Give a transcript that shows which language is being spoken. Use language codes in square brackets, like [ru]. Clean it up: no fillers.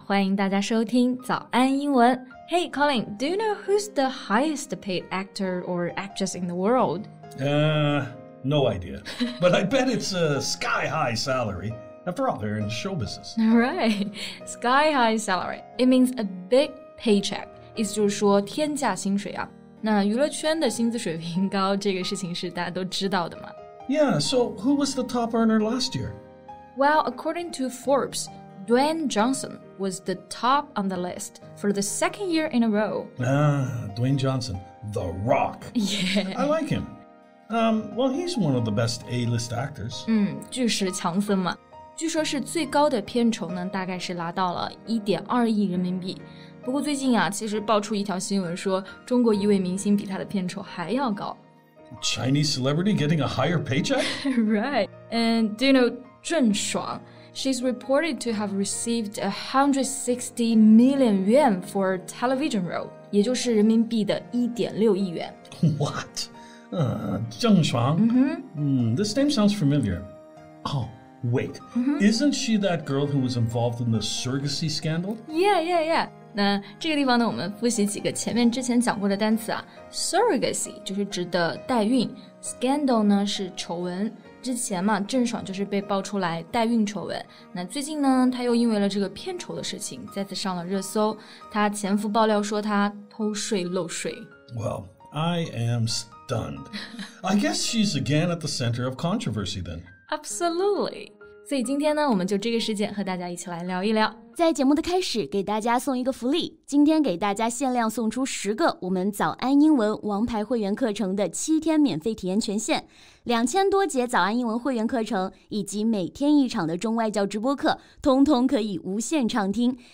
[zh] 欢迎大家收听早安英文。 [en] Hey, Colin, do you know who's the highest paid actor or actress in the world? No idea. But I bet it's a sky-high salary. After all, they're in show business. Right. Sky-high salary. It means a big paycheck. [zh] 意思就是说天价薪水啊。那娱乐圈的薪资水平高这个事情是大家都知道的嘛。 [en] Yeah, so who was the top earner last year? Well, according to Forbes, Dwayne Johnson was the top on the list for the second year in a row. Ah, Dwayne Johnson, the rock. Yeah. I like him. Well, he's one of the best A-list actors. [zh] 巨石强森嘛。据说是最高的片酬呢大概是拿到了1.2亿人民币。不过最近啊其实爆出一条新闻说中国一位明星比他的片酬还要高。 [en] Chinese celebrity getting a higher paycheck? Right. And do you know Zheng Shuang? She's reported to have received 160 million yuan for a television role, [zh] 也就是人民币的1.6亿元. [en] What? Zheng Shuang? This name sounds familiar. Oh, wait. Isn't she that girl who was involved in the surrogacy scandal? [zh] Yeah. 那这个地方呢我们复习几个前面之前讲过的单词啊 surrogacy 就是指的代孕 scandal 呢是丑闻之前嘛郑爽就是被爆出来代孕丑闻那最近呢她又因为了这个片酬的事情再次上了热搜她前夫爆料说她偷税漏税 [en] Well, I am stunned. I guess she's again at the center of controversy then. Absolutely. [zh] 所以今天呢我们就这个事件和大家一起来聊一聊。在节目的开始给大家送一个福利。今天给大家限量送出10个我们早安英文王牌会员课程的7天免费体验权限。 2000多节早安英文会员课程以及每天一场的中外教直播课通通可以无限畅听。